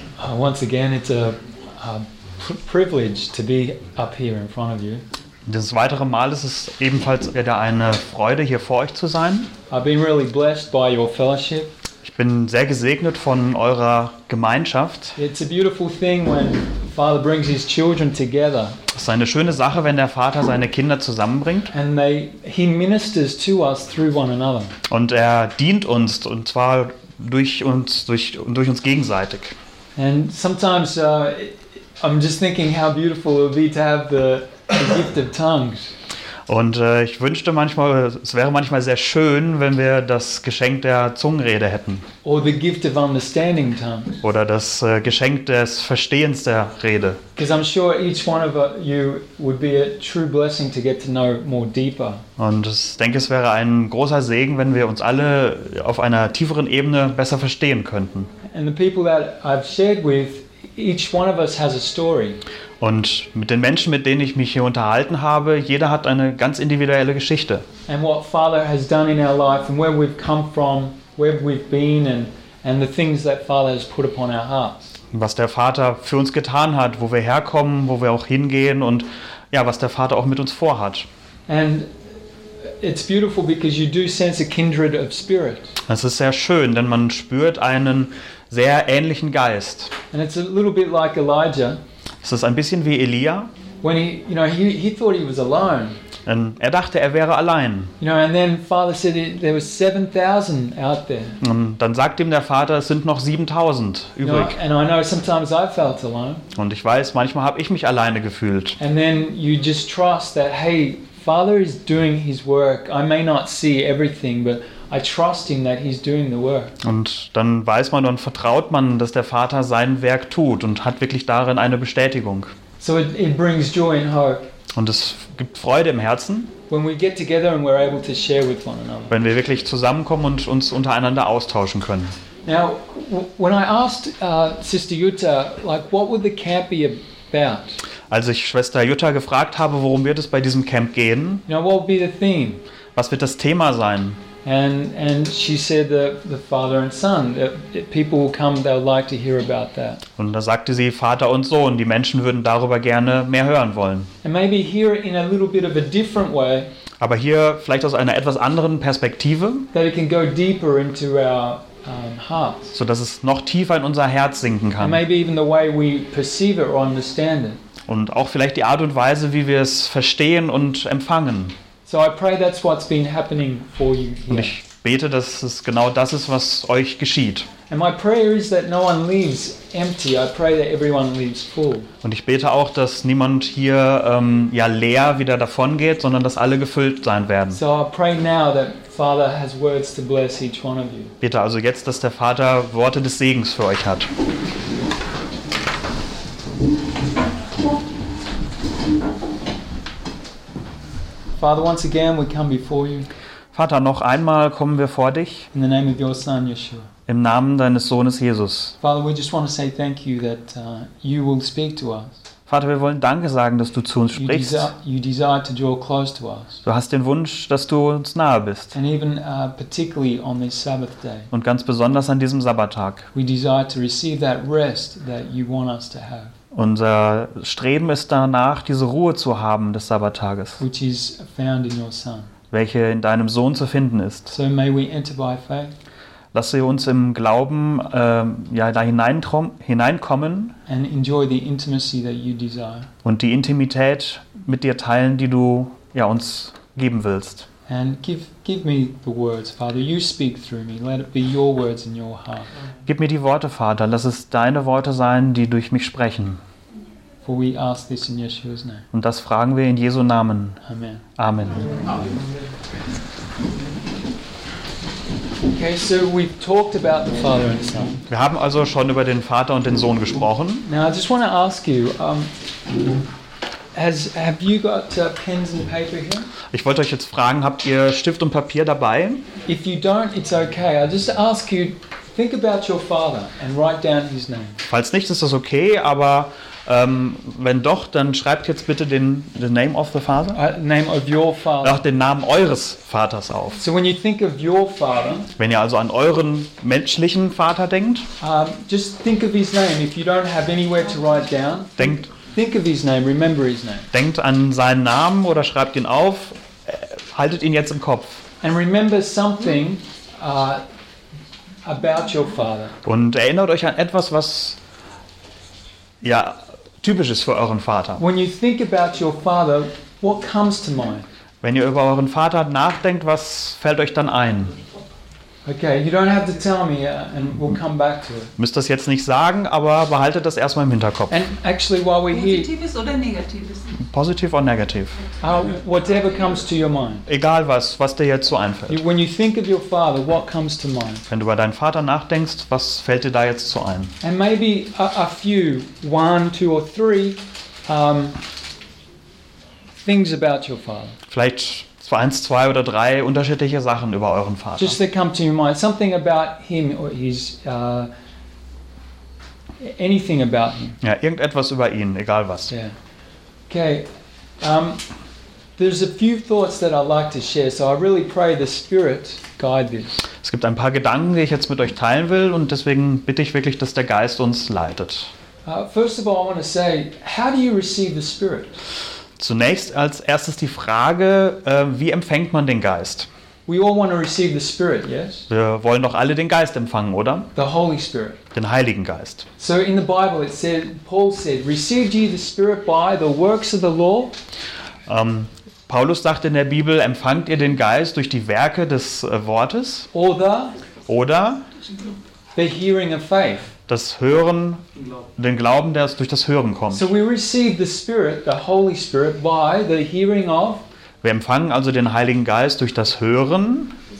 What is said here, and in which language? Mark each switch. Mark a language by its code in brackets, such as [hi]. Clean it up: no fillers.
[en] Once again, it's a privilege to be up here in front of you. [de] Das weitere Mal ist es ebenfalls wieder eine Freude, hier vor euch zu sein. [en] I've been really blessed by your fellowship. [de] Ich bin sehr gesegnet von eurer Gemeinschaft. [en] It's a beautiful thing when Father brings his children together. [de] Es ist eine schöne Sache, wenn der Vater seine Kinder zusammenbringt. [en] And he ministers to us through one another. [de] Und er dient uns, und zwar durch uns gegenseitig. [en] And sometimes I'm just thinking how beautiful it would be to have the gift of tongues. [de] Und ich wünschte manchmal, es wäre manchmal sehr schön, wenn wir das Geschenk der Zungenrede hätten. [en] Or the gift of understanding tongues. [de] Oder das Geschenk des Verstehens der Rede. [en] Because I'm sure each one of you would be a true blessing to get to know more deeper. [de] Und ich denke, es wäre ein großer Segen, wenn wir uns alle auf einer tieferen Ebene besser verstehen könnten. [en] And the people that I've shared with, each one of us has a story. [de] Und mit den Menschen, mit denen ich mich hier unterhalten habe, jeder hat eine ganz individuelle Geschichte. [en] And what Father has done in our life and where we've come from, where we've been and the things that Father has put upon our hearts. [de] Was der Vater für uns getan hat, wo wir herkommen, wo wir auch hingehen und ja, was der Vater auch mit uns vorhat. [en] And it's beautiful because you do sense a kindred of spirit. [de] Es ist sehr schön, denn man spürt einen sehr ähnlichen Geist. [en] And it's a little bit like Elijah. [de] Es ist ein bisschen wie Elia. [en] When he thought he was alone. [de] Und er dachte, er wäre allein. [en] You know, and then Father said there was 7,000 out there. [de] Und dann sagt ihm der Vater, es sind noch 7,000 übrig. [en] And I know sometimes I felt alone. [de] Und ich weiß, manchmal habe ich mich alleine gefühlt. [en] And then you just trust that, hey, Father is doing his work. I may not see everything, but I trust him that he's doing the work. [de] Und dann weiß man und vertraut man, dass der Vater sein Werk tut und hat wirklich darin eine Bestätigung. [en] So it brings joy and hope. [de] Und es gibt Freude im Herzen. [en] When we get together and we're able to share with one another. [de] Wenn wir wirklich zusammenkommen und uns untereinander austauschen können. [en] Now, when I asked Sister Jutta, like, what would the camp be about? [de] Als ich Schwester Jutta gefragt habe, worum wird es bei diesem Camp gehen? [en] You know, what would be the theme? [de] Was wird das Thema sein? [en] And she said the father and son. People will come, they'll like to hear about that. [de] Und da sagte sie Vater und Sohn, die Menschen würden darüber gerne mehr hören wollen. [en] And maybe hear it in a little bit of a different way. [de] Aber hier vielleicht aus einer etwas anderen Perspektive. [en] That it can go deeper into our hearts. [de] So dass es noch tiefer in unser Herz sinken kann. [en] And maybe even the way we perceive it or understand it. [de] Und auch vielleicht die Art und Weise, wie wir es verstehen und empfangen. [en] So I pray that's what's been happening for you here. [de] Und ich bete, dass es genau das ist, was euch geschieht. [en] And my prayer is that no one leaves empty. I pray that everyone leaves full. [de] Und ich bete auch, dass niemand hier leer wieder davon geht, sondern dass alle gefüllt sein werden. [en] So I pray now that Father has words to bless each one of you. [de] Bete also jetzt, dass der Vater Worte des Segens für euch hat. [en] Father, once again we come before you. [de] Vater, noch einmal kommen wir vor dich. [en] In the name of your son Yeshua. [de] Im Namen deines Sohnes Jesus. [en] Father, we just want to say thank you that you will speak to us. [de] Vater, wir wollen Danke sagen, dass du zu uns sprichst. [en] You desire to draw close to us. [de] Du hast den Wunsch, dass du uns nahe bist. [en] And even particularly on this Sabbath day. [de] Und ganz besonders an diesem Sabbattag. [en] We desire to receive that rest that you want us to have. [de] Unser Streben ist danach, diese Ruhe zu haben des Sabbattages, [en] which is found in your son. [de] Welche in deinem Sohn zu finden ist. [en] So may we enter by faith. [de] Lass sie uns im Glauben da hineinkommen [en] and enjoy the intimacy that you desire. [de] Und die Intimität mit dir teilen, die du ja, uns geben willst. [en] And give me the words, Father. You speak through me. Let it be your words in your heart. [de] Gib mir die Worte, Vater. Lass es deine Worte sein, die durch mich sprechen. [en] For we ask this in Yeshua's name. [de] Und das fragen wir in Jesu Namen. [en] Amen. [de] Amen. [en] Okay, so we've talked about the Father and Son. [de] Wir haben also schon über den Vater und den Sohn gesprochen. [en] Now I just want to ask you. Have you got pens and paper here? [de] Ich wollte euch jetzt fragen, habt ihr Stift und Papier dabei? [en] If you don't, it's okay. I just ask you, think about your father and write down his name. [de] Falls nicht, ist das okay, aber Wenn doch, dann schreibt jetzt bitte den [en] the name of the father. Name of your father. [de] Ach, den Namen eures Vaters auf. [en] So when you think of your father. [de] Wenn ihr also an euren menschlichen Vater denkt. [en] Just think of his name. If you don't have anywhere to write down. [de] Denkt. [en] Think of his name. Remember his name. [de] Denkt an seinen Namen oder schreibt ihn auf. Haltet ihn jetzt im Kopf. [en] And remember something about your father. [de] Und erinnert euch an etwas, was ja typisch ist für euren Vater. [en] When you think about your father, what comes to mind? [de] Wenn ihr über euren Vater nachdenkt, was fällt euch dann ein? [en] Okay, you don't have to tell me and we'll come back to it. [de] Müsst das jetzt nicht sagen, aber behaltet das erstmal im Hinterkopf. [en] And actually while we're here. [de] Positives oder negatives? [en] Positive or negative? Whatever comes to your mind. [de] Egal was dir jetzt so einfällt. [en] When you think of your father, what comes to mind? [de] Wenn du über deinen Vater nachdenkst, was fällt dir da jetzt so ein? [en] And maybe a few, one, two or three things about your father. [de] Vielleicht eins, zwei oder drei unterschiedliche Sachen über euren Vater. [en] Just that come to your mind. Something about him or his anything about him. [de] Ja, irgendetwas über ihn, egal was. [en] Yeah. Okay. There's a few thoughts that I'd like to share, so I really pray the Spirit guide this. [de] Es gibt ein paar Gedanken, die ich jetzt mit euch teilen will, und deswegen bitte ich wirklich, dass der Geist uns leitet. [en] First of all, I want to say, how do you receive the Spirit? [de] Zunächst als erstes die Frage, wie empfängt man den Geist? [en] We all want to receive the Spirit, yes? [de] Wir wollen doch alle den Geist empfangen, oder? [en] The Holy Spirit. [de] Den Heiligen Geist. [en] So in the Bible it said, Paul said, received ye the Spirit by the works of the law? [de] Paulus sagt in der Bibel, empfangt ihr den Geist durch die Werke des Wortes? [en] Oder the hearing of faith. [de] Das Hören, den Glauben, der durch das Hören kommt. [en] So we receive the Spirit, the Holy Spirit, by the hearing of. [de] Wir empfangen also den Heiligen Geist durch das Hören.